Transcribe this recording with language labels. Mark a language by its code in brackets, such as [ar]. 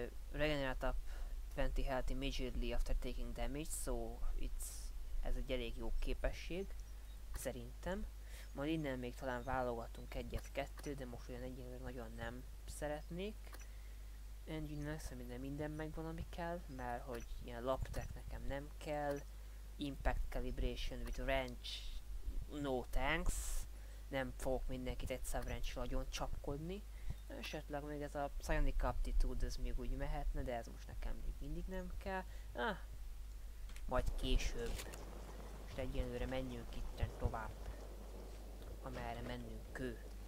[en] Regenerate up 20 health immediately after taking damage, so it's, [hu] ez egy elég jó képesség, szerintem. Majd innen még talán válogatunk egyet-kettőt, de most olyan egyenre nagyon nem szeretnék. Engine-nek szerintem minden megvan, ami kell, mert hogy ilyen laptek nekem nem kell. [en] Impact calibration with wrench, no thanks. [hu] Nem fogok mindenkit egyszer wrench-re nagyon csapkodni. Esetleg még ez a psionic aptitude, ez még úgy mehetne, de ez most nekem még mindig nem kell. Majd később. És egyenlőre menjünk itten tovább. Amerre mennünk kő.